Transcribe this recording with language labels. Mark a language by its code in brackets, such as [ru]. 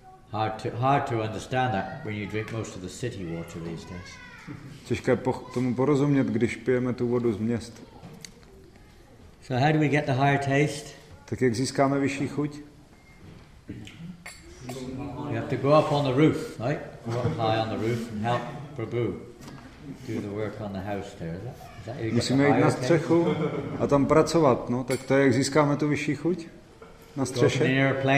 [en] Hard to understand that when you drink most of the city water these days. [cs] Těžké tomu porozumět, když pijeme tu vodu z měst. [en] So how do we get the higher taste? [cs] Tak jak získáme vyšší chuť? [en] You have to go up on the roof, right? Go up high on the roof and help Prabhu do the work on the house there. [cs] Musíme jít na střechu a tam pracovat, no, tak to je, jak získáme tu vyšší chuť na střeše.